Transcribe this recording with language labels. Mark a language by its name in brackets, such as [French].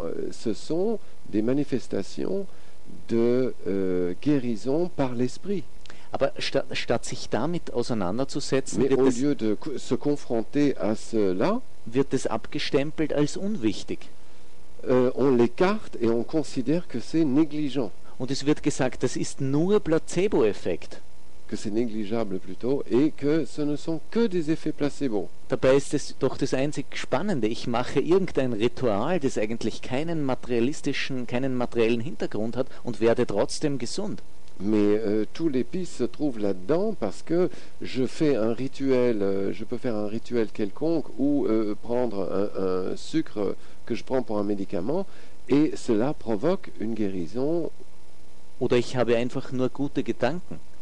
[French] Ce sont des manifestations de guérison par l'esprit. [German] Aber statt sich damit auseinanderzusetzen, [French] mais au lieu de se confronter à cela, [German] wird es abgestempelt als unwichtig. [French] On l'écarte et on considère que c'est négligent. [German] Und es wird gesagt, das ist nur Placebo-Effekt. [French] Que c'est négligeable plutôt et que ce ne sont que des effets placebo. [German] Dabei ist es doch das einzig Spannende. Ich mache irgendein Ritual, das eigentlich keinen materiellen Hintergrund hat und werde trotzdem gesund. [French] Mais tous les pistes se trouvent là-dedans parce que je fais un rituel, je peux faire un rituel quelconque ou prendre un sucre que je prends pour un médicament et cela provoque une guérison. [German] Oder ich habe einfach nur gute Gedanken.